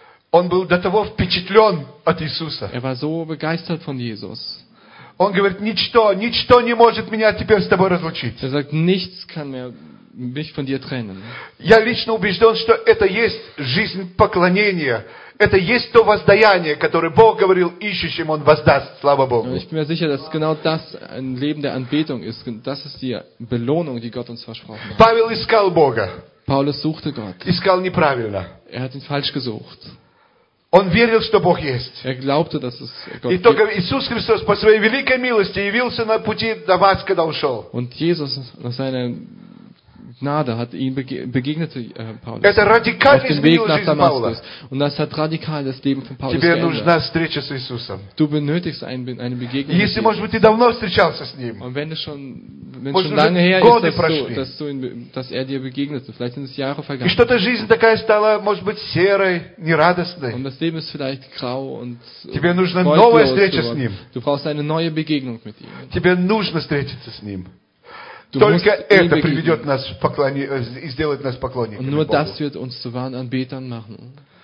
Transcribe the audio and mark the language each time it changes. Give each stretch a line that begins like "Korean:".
Russian: Он был до того впечатлен от Иисуса.
German: Er war so begeistert von Jesus.
Russian: Он говорит, ничто не может меня теперь с тобой разлучить.
German: Er sagt, nichts kann mich von dir trennen.
Russian: Я лично убежден, что это есть жизнь поклонения. Это есть то воздаяние, которое Бог говорил ищущим, он воздаст, слава Богу.
German: Ich bin mir sicher, dass genau das ein Leben der Anbetung ist. Das ist die Belohnung, die Gott uns versprochen hat.
Russian: Павел искал Бога.
German: Paulus suchte Gott.
Russian: Искал неправильно.
German: Er hat ihn falsch gesucht.
Russian: Он верил, что Бог есть.
German: Er glaubte, dass es Gott
Russian: И только Иисус Христос по своей великой милости явился на пути Дамаска, когда ушел.
German: Und Jesus nach seiner Gnade hat ihn begegnete Paulus.
Russian: Это радикально изменило жизнь Павла.
German: Und das hat radikal das Leben von Paulus
Russian: Тебе
German: geändert.
Russian: Нужна встреча с Иисусом.
German: Du benötigst eine Begegnung.
Russian: Если, может быть, ты давно встречался с ним.
German: Und wenn schon lange her ist, dass er dir begegnete, vielleicht sind es Jahre vergangen.
Russian: И что-то жизнь такая стала, может быть, серой, нерадостной.
German: Und das Leben ist vielleicht grau und
Russian: Тебе нужна новая встреча с ним.
German: Du brauchst eine neue Begegnung mit ihm.
Russian: Тебе нужно встретиться с ним. Только это приведет нас и сделает нас поклонниками Богу.
German: Nur das wird uns zu wahren Anbetern machen.